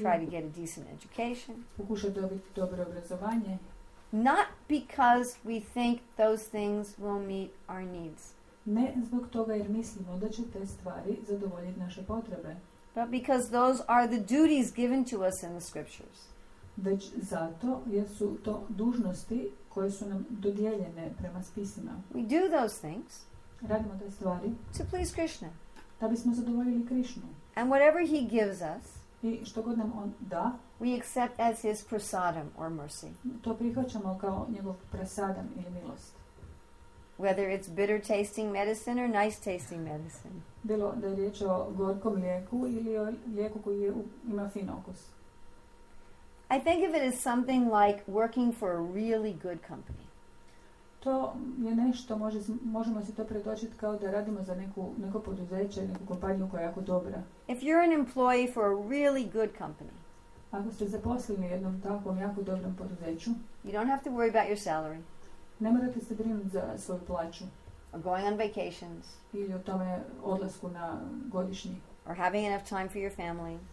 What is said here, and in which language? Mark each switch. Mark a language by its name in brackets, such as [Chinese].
[English] Try to get a decent education. [Croatian] Pokušati dobiti dobro obrazovanje. [English] Not because we think those things will meet our needs. [Croatian] Ne zbog toga jer mislimo da će te stvari zadovoljiti naše potrebe. [English] But because those are the duties given to us in the scriptures. [Croatian] Već zato jer su to dužnosti koje su nam dodijeljene prema spisima. [English] We do those things. [Croatian] Radimo te stvari. [English] To please Krishna. [Croatian] Da bismo zadovoljili Krishnu. [English] And whatever he gives us. [Croatian] I što god nam on da. [English] We accept as his prasadam or mercy. [Croatian] To prihvaćamo kao njegov prasadam ili milost. [English] Whether it's bitter tasting medicine or nice tasting medicine. [Croatian] Bilo da je riječ o gorkom lijeku ili o lijeku koji ima fin okus. [English] I think of it as something like working for a really good company. [Croatian] To je nešto, možemo se to pretočiti kao da radimo za neko poduzeće, neku kompaniju koja je jako dobra. [English] If you're an employee for a really good company, [Croatian] ako ste zaposleni u jednom takvom jako dobrom poduzeću, [English] you don't have to worry about your salary. [Croatian] Ne morate se brinuti za svoju plaću. [English] Or going on vacations. [Croatian] Ili o tome odlasku na godišnji. [English] Or having enough time for your family.